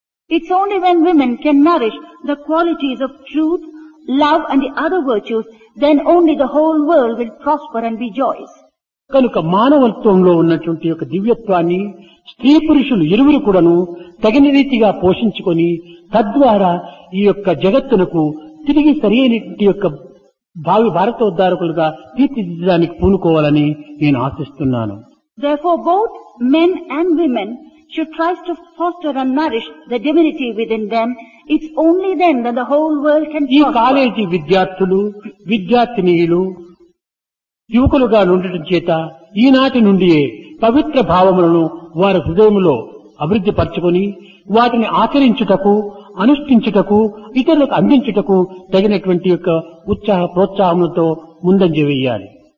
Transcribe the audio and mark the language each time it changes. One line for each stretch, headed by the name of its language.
English: It's only when women can nourish the qualities of truth, love and the other virtues, then only the whole world will prosper and be joyous.
Telugu: కనుక మానవత్వంలో ఉన్నటువంటి యొక్క దివ్యత్వాన్ని స్త్రీ పురుషులు ఇరువురు కూడాను తగిన రీతిగా పోషించుకుని తద్వారా ఈ యొక్క జగత్తునకు తిరిగి సరైన యొక్క భావి భారత ఉద్దారకులుగా తీర్చిదిద్దడానికి పూనుకోవాలని నేను ఆశిస్తున్నాను.
English: Therefore both men and women she tries to foster and nourish the divinity within them, it's only then that the whole world can prosper.
Telugu: ఈ కాలేజీ విద్యార్థులు విద్యార్థినీయులు యువకులుగా ఉండటం చేత ఈనాటి నుండి పవిత్ర భావములను వారి హృదయంలో అభివృద్ధి పరచుకుని వాటిని ఆచరించుటకు అనుష్ఠించుటకు ఇతరులకు అందించుటకు తగినటువంటి యొక్క ఉత్సాహ ప్రోత్సాహములతో ముందంజ వేయాలి.